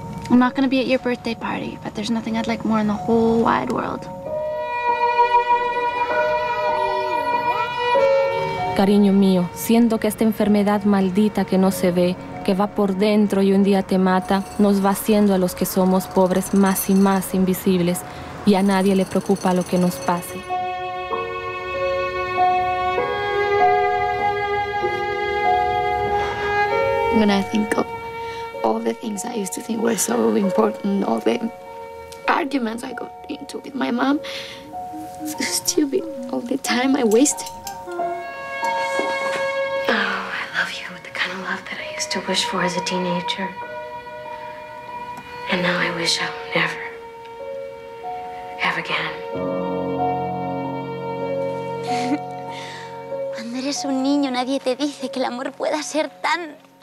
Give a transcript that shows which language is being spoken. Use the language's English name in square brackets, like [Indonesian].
[English] I'm not gonna be at your birthday party, but there's nothing I'd like more in the whole wide world. [Spanish] Cariño mío, siento que esta enfermedad maldita que no se ve que va por dentro y un día te mata, nos va haciendo a los que somos pobres más y más invisibles, y a nadie le preocupa lo que nos pase. [English] When I think of all the things I used to think were so important, all the arguments I got into with my mom, so stupid, all the time I wasted. Oh, I love you with the kind of love that I used to wish for as a teenager. And now I wish I'll never have again. [Spanish] Cuando eres un niño, nadie te dice que el amor pueda ser tan...